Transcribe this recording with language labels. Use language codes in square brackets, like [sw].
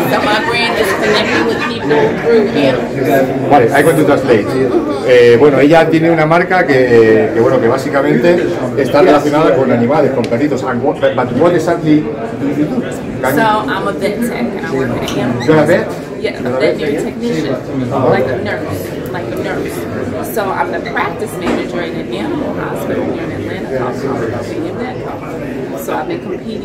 [en] So my brand is connecting with people through him. [es] Vale, hay que translate. Bueno, ella tiene una marca que básicamente está relacionada con animales, con perritos. [en] But what exactly do you do? So I'm a vet tech and I work at animals. You're a vet? Yeah, I'm a vet technician, like a nurse. So I'm the practice manager in an animal hospital here in Atlanta called Pennsylvania Vet Hospital.